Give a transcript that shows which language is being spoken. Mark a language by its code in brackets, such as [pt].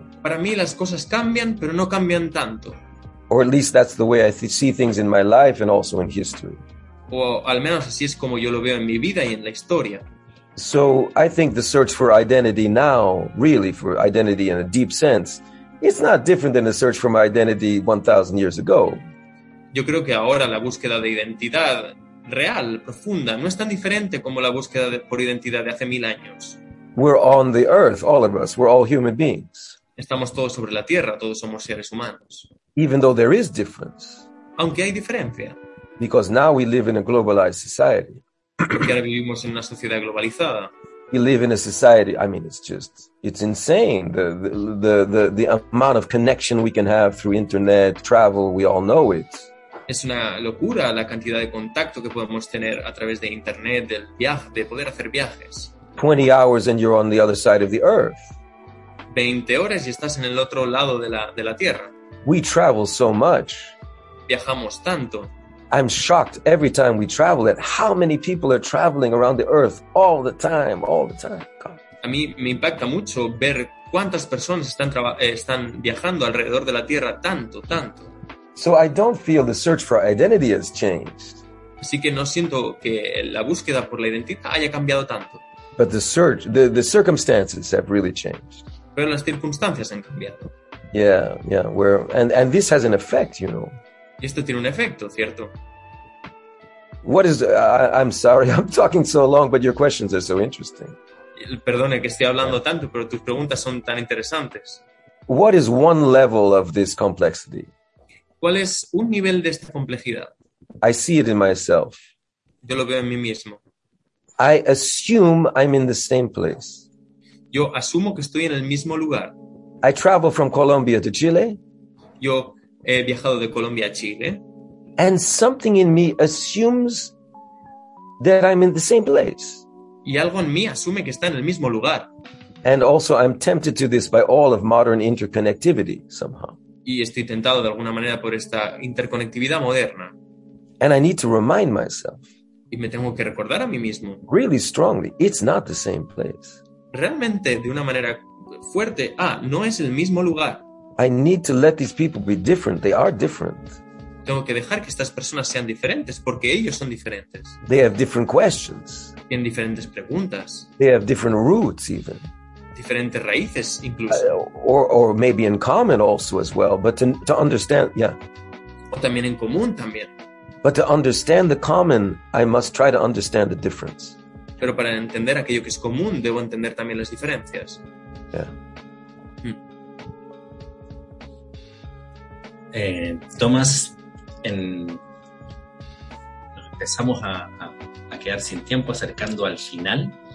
[es] Para mí las cosas cambian, pero no cambian tanto. [en] Or at least that's the way I see things in my life and also in history. [es] O al menos así es como yo lo veo en mi vida y en la historia. [en] So I think the search for identity now, really for identity in a deep sense, it's not different than the search for my identity 1,000 years ago. [es] Yo creo que ahora la búsqueda de identidad real, profunda, no es tan diferente como la búsqueda por identidad de hace 1,000 años. [en] We're on the earth, all of us. We're all human beings. [es] Estamos todos sobre la tierra, todos somos seres humanos. [en] Even though there is difference. [es] Aunque hay diferencia. [en] Because now we live in a globalized society. [es] Porque ahora vivimos en una sociedad globalizada. [en] We live in a society, I mean, it's insane the amount of connection we can have through internet, travel, we all know it. [es] Es una locura la cantidad de contacto que podemos tener a través de internet, del viaje, de poder hacer viajes. [en] 20 hours and you're on the other side of the earth. [es] 20 horas y estás en el otro lado de la tierra. [en] We travel so much. [es] Viajamos tanto. [en] I'm shocked every time we travel at how many people are traveling around the earth all the time, all the time. God. [es] A mí me impacta mucho ver cuántas personas están viajando alrededor de la Tierra tanto, tanto. [en] So I don't feel the search for identity has changed. [es] Así que no siento que la búsqueda por la identidad haya cambiado tanto. [en] But the circumstances have really changed. [es] Pero las circunstancias han cambiado. [en] Yeah, yeah, and this has an effect, you know. [es] Y esto tiene un efecto, ¿cierto? [en] What is I'm sorry, I'm talking so long, but your questions are so interesting. [es] Perdone que esté hablando tanto, pero tus preguntas son tan interesantes. [en] What is one level of this complexity? [es] ¿Cuál es un nivel de esta complejidad? [en] I see it in myself. [es] Yo lo veo en mí mismo. [en] I assume I'm in the same place. [es] Yo asumo que estoy en el mismo lugar. [en] I travel from Colombia to Chile. [es] Yo he viajado de Colombia a Chile. [en] And something in me assumes that I'm in the same place. [es] Y algo en mí asume que está en el mismo lugar. [en] And also I'm tempted to this by all of modern interconnectivity somehow. [es] Y estoy tentado de alguna manera por esta interconectividad moderna. [en] And I need to remind myself. [es] Y me tengo que recordar a mí mismo. [en] Really strongly, it's not the same place. [es] Realmente, de una manera fuerte, no es el mismo lugar. [en] I need to let these people be different. They are different. [es] Tengo que dejar que estas personas sean diferentes porque ellos son diferentes. [en] They have different questions. [es] Tienen diferentes preguntas. [en] They have different roots even. [es] Diferentes raíces incluso. [en] Or maybe in common also as well, but to understand, yeah. [es] O también en común también. [en] But to understand the common, I must try to understand the difference. [es] Pero para entender aquello que es común, debo entender también las diferencias. [en] Yeah. [es] Tomás, empezamos a quedar sin tiempo, acercando al final.